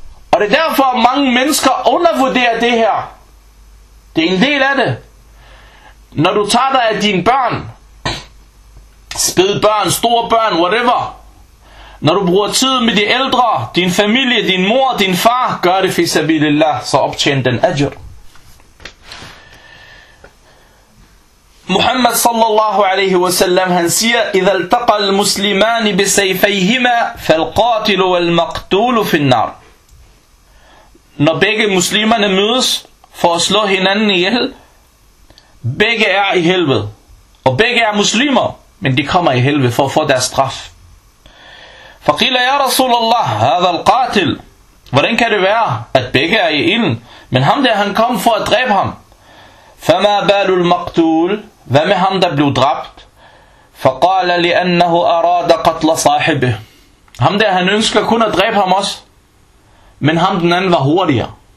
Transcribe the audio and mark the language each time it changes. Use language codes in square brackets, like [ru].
[da] Og det er derfor, at mange mennesker undervurderer det her. Det er en del af det. Når du tager dig af dine børn, spædbørn, store børn, whatever, når du bruger tid med de ældre, din familie, din mor, din far, gør det fi sabilillah, så optjen den ajr. [ar] محمد صلى الله عليه وسلم هنسيه إذا التقى المسلمان بسيفيهما فالقاتل والمقتول في النار. [da] Når begge muslimerne mødes for at slå hinanden ihjel, begge er i helvede. Og begge er muslimer, men de kommer i helvede for at få deres straf. [ar] فقيل يا رسول الله هذا القاتل. [da] Hvordan kan det være, at begge er i ilden, men ham der han kom for at dræbe ham? [ar] فما بال المقتول. [da] Hvad med ham, der blev dræbt? [ar] فَقَالَ لِأَنَّهُ أَرَادَ قَتْلَ صَاحِبِهِ. [da] Ham der, han ønsker kun at dræbe ham også. Men ham den anden var hurtigere.